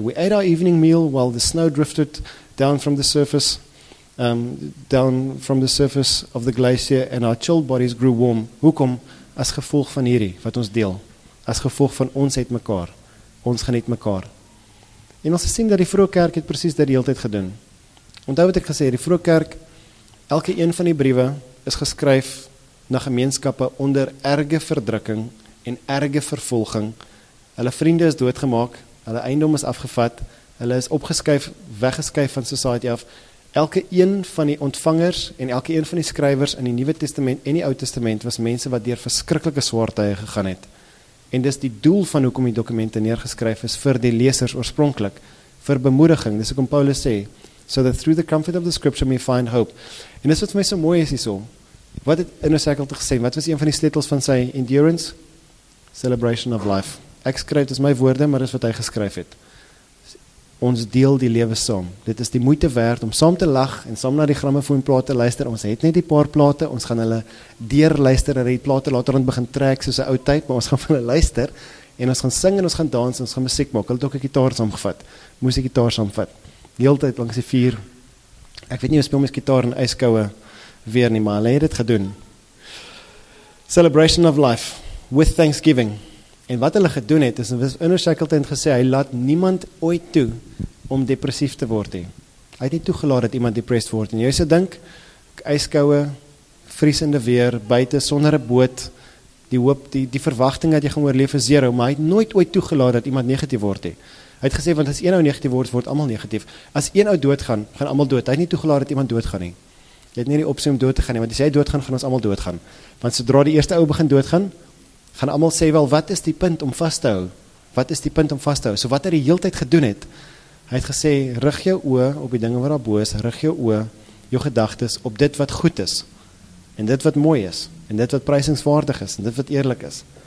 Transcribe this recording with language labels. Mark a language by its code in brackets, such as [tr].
[en] We ate our evening meal while the snow drifted down from the surface of the glacier, and our chilled bodies grew warm. [af] Hoekom? As gevolg van hierdie wat ons deel. As gevolg van ons het mekaar. Ons geniet mekaar. En ons sien dat die vroeë kerk het presies dit die hele tyd gedoen. Onthou wat ek gesê het, die vroeë kerk, elke een van die briewe is geskryf na gemeenskappe onder erge verdrukking en erge vervolging. Hulle vriende is doodgemaak, hulle eiendom is afgevat, hulle is opgeskuif, weggeskuif van society af. Elke een van die ontvangers en elke een van die skrywers in die Nuwe Testament en die Ou Testament was mense wat deur verskriklike swaar tye gegaan het. En dis die doel van hoekom die dokumente neergeskryf is vir die lesers oorspronklik, vir bemoediging. Dis hoekom Paulus sê, [en] so that through the comfort of the scripture we find hope. [af] En dis wat vir my so mooi is hierso. Wat het in 'n sekel te gesê, wat was een van die sleutels van sy endurance? [en] Celebration of life. [af] Ek skryf, dis my woorde, maar dis wat hy geskryf het. Ons deel die lewe saam. Dit is die moeite werd om saam te lag en saam na die grammofoonplate luister. Ons het net die paar plate, ons gaan hulle deur luister en die plate later aan begin trek soos 'n ou tyd, maar ons gaan hulle luister en ons gaan sing en ons gaan dans en ons gaan musiek maak. Hulle het ook 'n gitaar saamgevat. Moes 'n gitaar saamvat. Heeltyd langs die vuur. Ek weet nie hoe speel mens gitaar in ijskoue weer nie, maar hulle het dit gedoen. [en] Celebration of life with Thanksgiving. [af] En wat hulle gedoen het, is Ernest Shackleton gesê, hy laat niemand ooit toe om depressief te word. He. Hy het nie toegelaat dat iemand depressief word. En jy sê, dink, ijskoue, vriesende weer, buite, sonder 'n boot, die hoop, die verwagting dat jy gaan oorleef is zero, maar hy het nooit ooit toegelaat dat iemand negatief word. He. Hy het gesê, want as een ou negatief word, word allemaal negatief. As een ou doodgaan, gaan allemaal dood. Hy het nie toegelaat dat iemand doodgaan. He. Hy het nie die optie om dood te gaan, he. Want as jy doodgaan, gaan ons allemaal doodgaan. Want sodra die eerste ou begin doodgaan, gaan allemaal sê, wel, wat is die punt om vast te hou? Wat is die punt om vast te hou? So wat hy die hele tyd gedoen het, hy het gesê, rig jou oë op die dinge wat daar bo is, rig jou oë, jou gedagtes, op dit wat goed is, en dit wat mooi is, en dit wat prysingswaardig is, en dit wat eerlik is.